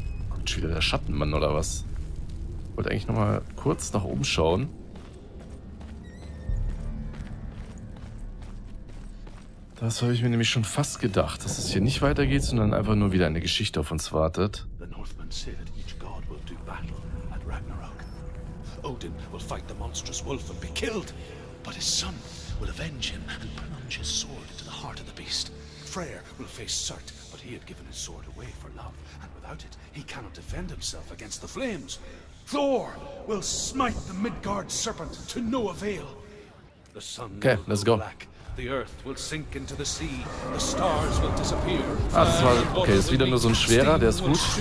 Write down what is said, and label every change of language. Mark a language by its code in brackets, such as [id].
[de] Kommt schon wieder der Schattenmann oder was? Ich wollte eigentlich nochmal kurz nach oben schauen. Das habe ich mir nämlich schon fast gedacht, dass es hier nicht weitergeht, sondern einfach nur wieder eine Geschichte auf uns wartet. [en] The Northmen say that each god will do battle at Ragnarok. Odin will fight the monstrous wolf and be killed, but his son will avenge him and plunge his sword into the heart of the beast. Freyr will face Surt, but he had given his sword away for love, and without it, he cannot defend himself against the flames. Thor will smite the Midgard serpent to no avail. The sun okay, will let's go. Black. The earth will sink into the sea, the stars will disappear. [de] Ah, das war, okay, ist wieder nur so ein schwerer, der ist gut.